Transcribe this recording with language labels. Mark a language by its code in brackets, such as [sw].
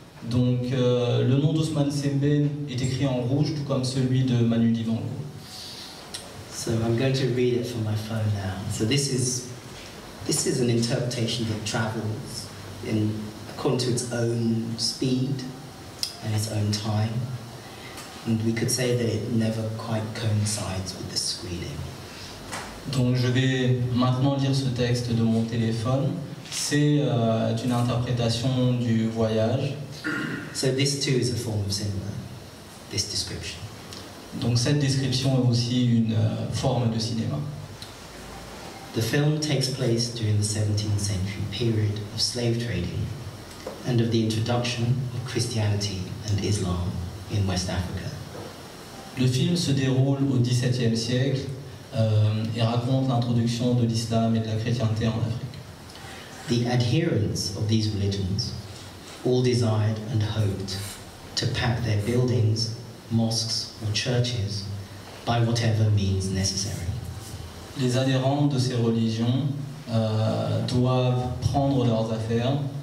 [fr] Donc le nom d'Ousmane Sembène est écrit en rouge, tout comme celui de Manu Dibango. [en] So I'm going to read it from my phone now. So this is an interpretation that travels in according to its own speed and its own time. And we could say that it never quite coincides with the screening. [fr] Donc je vais maintenant lire ce texte de mon téléphone. C'est une interprétation du voyage. [en] So this too is a form of cinema, this description. [fr] Donc cette description est aussi une forme de cinéma. [en] The film takes place during the 17th century period of slave trading and of the introduction of Christianity and Islam in West Africa. [fr] Le film se déroule au 17e siècle et raconte l'introduction de l'islam et de la chrétienté en Afrique. [en] The adherents of these religions all desired and hoped to pack their buildings, mosques or churches by whatever means necessary. [fr] Les adhérents de ces religions doivent prendre leurs affaires.